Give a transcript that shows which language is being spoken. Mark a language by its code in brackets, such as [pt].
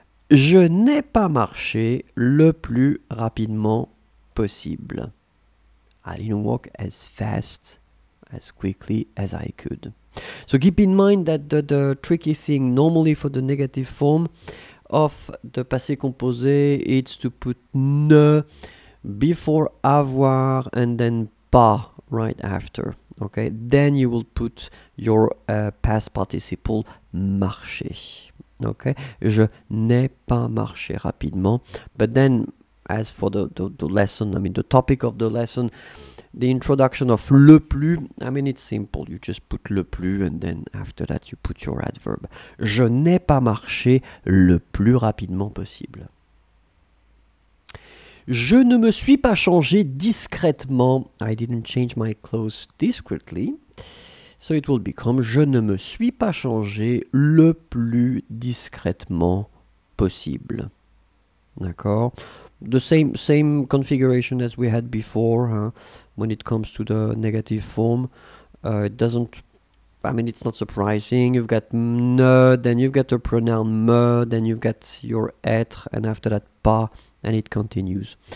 [fr] Je n'ai pas marché le plus rapidement possible. [en] I didn't walk as fast, as quickly as I could. So keep in mind that the tricky thing normally for the negative form of the passé composé is to put ne before avoir and then pas right after. Okay, then you will put your past participle marcher. Okay, [fr] je n'ai pas marché rapidement. [en] But then, as for the lesson, I mean the topic of the lesson, the introduction of le plus, I mean it's simple. You just put le plus and then after that you put your adverb. [fr] Je n'ai pas marché le plus rapidement possible. Je ne me suis pas changé discrètement. [en] I didn't change my clothes discreetly. So it will become [fr] je ne me suis pas changé le plus discrètement possible. D'accord? [en] The same configuration as we had before, huh? When it comes to the negative form. It's not surprising. You've got ne, then you've got the pronoun me, then you've got your être, and after that pas. And it continues.